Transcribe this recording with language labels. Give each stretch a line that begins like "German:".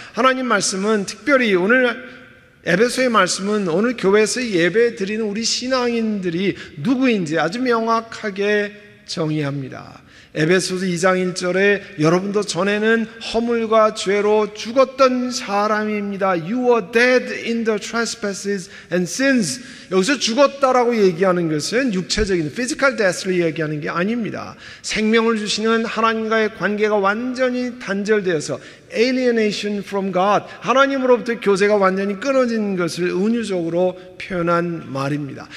Korean: 하나님 말씀은 특별히 오늘 에베소의 말씀은 오늘 교회에서 예배 드리는 우리 신앙인들이 누구인지 아주 명확하게 정의합니다. 에베소서 2장 1절에 여러분도 전에는 허물과 죄로 죽었던 사람입니다.
English: You were dead in the trespasses and sins.
Korean: 여기서 죽었다라고 얘기하는 것은 육체적인 physical death를 얘기하는 게 아닙니다. 생명을 주시는 하나님과의 관계가 완전히 단절되어서
English: alienation from God,
Korean: 하나님으로부터 교제가 완전히 끊어진 것을 은유적으로 표현한 말입니다.